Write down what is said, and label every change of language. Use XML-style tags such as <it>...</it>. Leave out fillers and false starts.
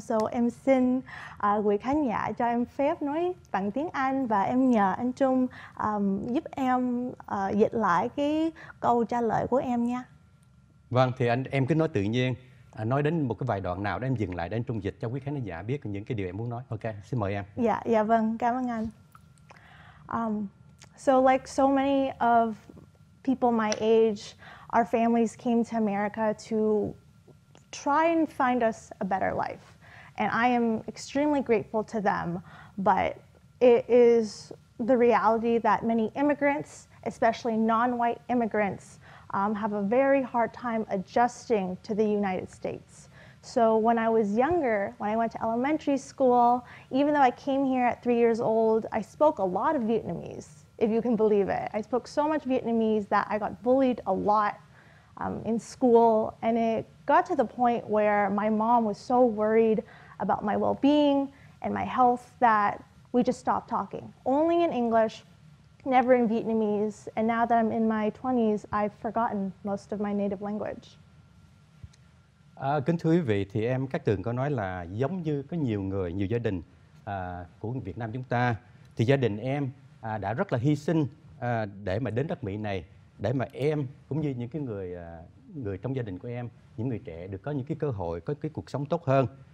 <vi>So em xin quý khán giả cho em phép nói bằng tiếng Anh và em nhờ anh Trung giúp em dịch lại cái câu trả lời của em nha. Vâng, thì anh em cứ nói tự nhiên. Nói đến một cái vài đoạn nào đó em dừng lại để anh Trung dịch cho quý khán giả biết những cái điều em muốn nói. Ok, xin mời em. Dạ, dạ vâng, cảm ơn anh.</vi> <en>So like so many of people my age, our families came to America to try and find us a better life. And I am extremely grateful to them, but it is the reality that many immigrants, especially non-white immigrants, have a very hard time adjusting to the United States. So when I was younger, when I went to elementary school, even though I came here at 3 years old, I spoke a lot of Vietnamese, if you can believe it. I spoke so much Vietnamese that I got bullied a lot in school, and it got to the point where my mom was so worried about my well-being and my health that we just stopped talking, only in English, never in Vietnamese, and now that I'm in my 20s, I've forgotten most of my native language.</en> <vi>Kính thưa quý vị, thì em Cát Tường có nói là giống như có nhiều người, nhiều gia đình của Việt Nam chúng ta, thì gia đình em đã rất là hy sinh để mà đến đất Mỹ này, để mà em cũng như những cái người người trong gia đình của em, những người trẻ được có những cái cơ hội, có cái cuộc sống tốt hơn.</vi>